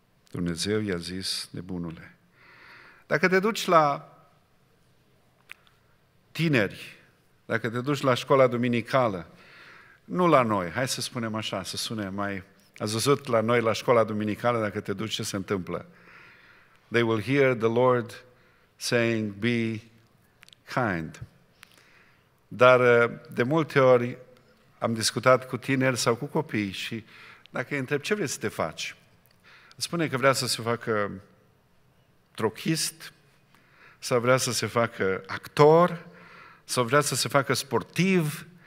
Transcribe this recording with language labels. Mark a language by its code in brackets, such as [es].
[ro] Dumnezeu i-a zis, nebunule. Dacă te duci la tineri, dacă te duci la școala duminicală, nu la noi, hai să spunem așa, să sune mai... Ați văzut la noi, la școala duminicală, dacă te duci, ce se întâmplă? [en] They will hear the Lord saying, be kind. [ro] Dar de multe ori am discutat cu tineri sau cu copii și dacă îi întreb, ce vrei să te faci? Spune că vrea să se facă trochist, sau vrea să se facă actor, sau vrea să se facă sportiv.